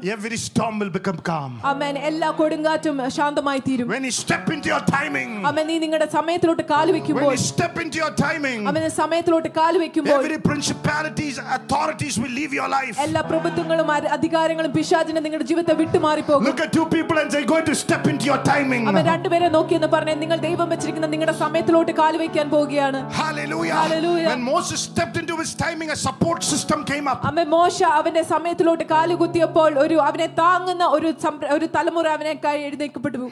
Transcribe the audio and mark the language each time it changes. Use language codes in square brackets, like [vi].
[en] Every storm will become calm. [ml] അമേ എല്ലാ കൊടുങ്കാറ്റും ശാന്തമായി തീരും. [en] When you step into your timing. [ml] അമേ നീ നിങ്ങളുടെ സമയത്തിലോട്ട് കാൽ വെക്കുമ്പോൾ. [en] When you step into your timing. [ml] അമേ സമയത്തിലോട്ട് കാൽ വെക്കുമ്പോൾ. [en] Every principalities authorities will leave your life. [ml] എല്ലാ പ്രഭുത്വങ്ങളും അധികാരങ്ങളും പിശാചിനെ നിങ്ങളുടെ ജീവിതത്തെ വിട്ടു മാറി പോകും. [en] Look at two people and say going to step into your timing. [ml] അമേ രണ്ട് പേരെ നോക്കി എന്ന് പറഞ്ഞു നിങ്ങൾ ദൈവം വെച്ചിരിക്കുന്ന നിങ്ങളുടെ സമയത്തിലോട്ട് കാൽ വെക്കാൻ പോവുകയാണ് hallelujah hallelujah [en] when Moses stepped into his timing a support system came up [ml] അമ്മേ മോശ അവന്റെ സമയത്തിലോട്ട് കാൽ കുത്തിയപ്പോൾ ഒരു അവനെ താങ്ങുന്ന ഒരു ഒരു തലമുറ അവനെ കൈ എഴുന്നേൽക്കപ്പെട്ടു